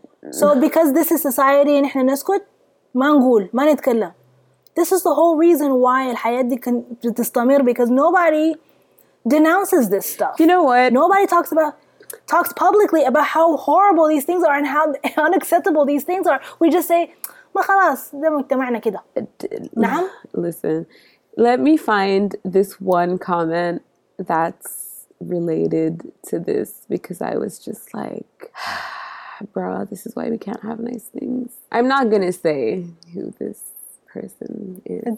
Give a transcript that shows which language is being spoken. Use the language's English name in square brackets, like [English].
[English] So because this is society and we're not going to say, we're not going to talk. This is the whole reason why [Arabic] الحياه دي [English] can تستمر, because nobody denounces this stuff. You know what? Nobody talks publicly about how horrible these things are and how unacceptable these things are. We just say, [Arabic] ما خلاص, ده مجتمعنا كده. نعم? [English] Listen, let me find this one comment that's related to this, because I was just like, bro, this is why we can't have nice things. I'm not going to say who this person is.